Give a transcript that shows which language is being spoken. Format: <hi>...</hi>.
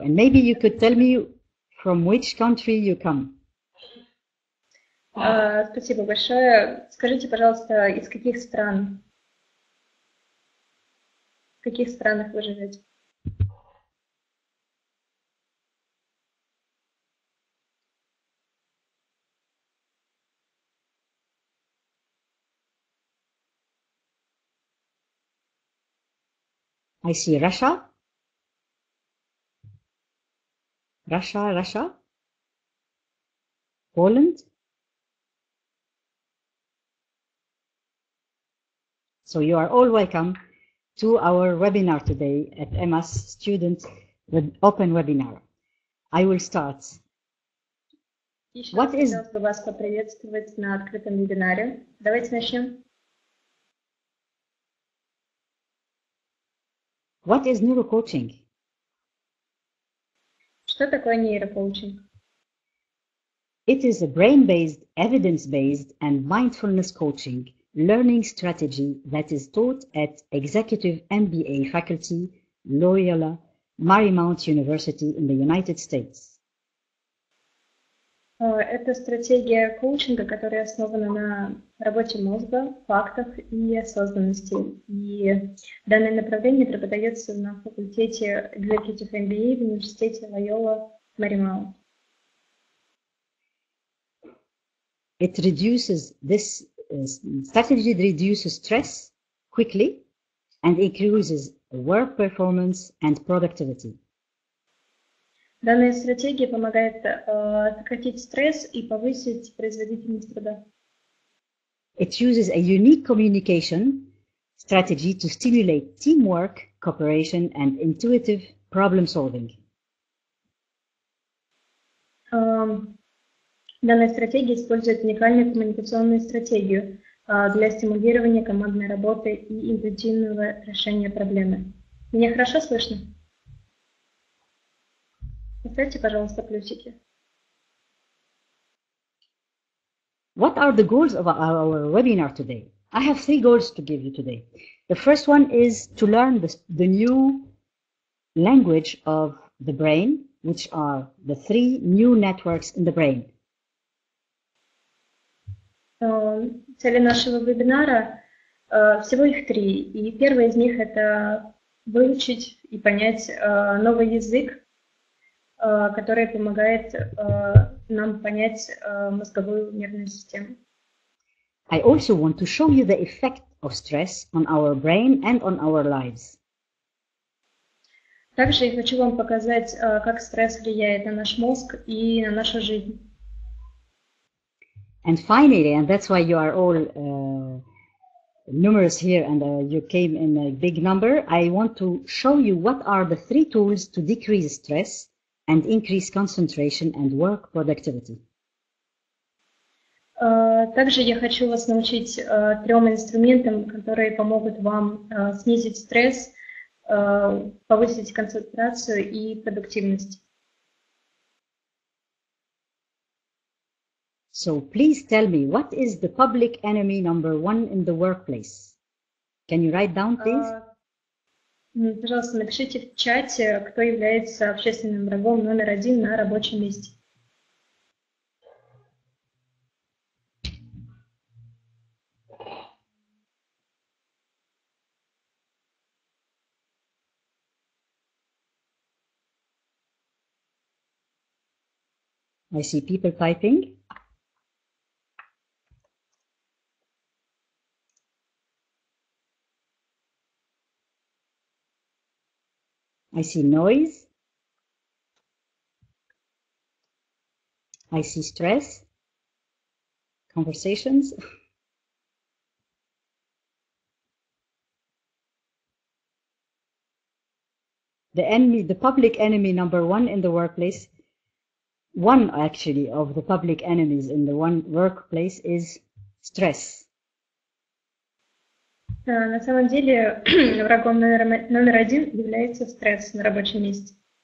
<en>And maybe you could tell me from which country you come.</en> <ru>Спасибо большое. Скажите, пожалуйста, из каких стран? В каких странах вы живете?</ru> <en>I see Russia. Russia, Poland. So you are all welcome to our webinar today at EMAS Student Open Webinar. I will start. What is?</en> <ru>Еще раз хотел бы вас поприветствовать на открытом вебинаре. Давайте начнем.</ru> <en>What is neurocoaching?</en> <ru>Что такое нейрокоучинг?</ru> <en>It is a brain-based, evidence-based and mindfulness coaching learning strategy that is taught at Executive MBA Faculty Loyola Marymount University in the United States.</en> <ru>Это стратегия коучинга, которая основана на работе мозга, фактах и осознанности. И данное направление преподается на факультете Executive MBA в университете Loyola Marymount.</ru> <en>This strategy reduces stress quickly and increases work performance and productivity.</en> <ru>Данная стратегия помогает сократить стресс и повысить производительность труда.</ru> <en>It uses a unique communication strategy to stimulate teamwork, cooperation and intuitive problem solving.</en> <ru>данная стратегия использует уникальную коммуникационную стратегию для стимулирования командной работы и интуитивного решения проблемы. Меня хорошо слышно? Поставьте, пожалуйста, плюсики.</ru> <en>What are the goals of our webinar today? I have three goals to give you today. The first one is to learn the new language of the brain, which are the three new networks in the brain.</en> <ru>Цели нашего вебинара всего их три. И первый из них — это выучить и понять новый язык, который помогает нам понять мозговую нервную систему.</ru> <en>I also want to show you the effect of stress on our brain and on our lives.</en> <ru>Также я хочу вам показать, как стресс влияет на наш мозг и на нашу жизнь.</ru> <en>And finally, and that's why you are all numerous here and you came in a big number, I want to show you what are the three tools to decrease stress and increase concentration and work productivity.</en> <ru>Также я хочу вас научить трем инструментам, которые помогут вам снизить стресс, повысить концентрацию и продуктивность.</ru> <en>So please tell me, what is the public enemy number one in the workplace? Can you write down, please?</en> <ru>Пожалуйста, напишите в чате, кто является общественным врагом номер один на рабочем месте.</ru> <en>I see people typing. I see noise. I see stress. Conversations. The enemy, the public enemy number one in the workplace, one actually of the public enemies in the one workplace is stress.</en> <ru>На самом деле, врагом номер один является стресс на рабочем месте.</ru>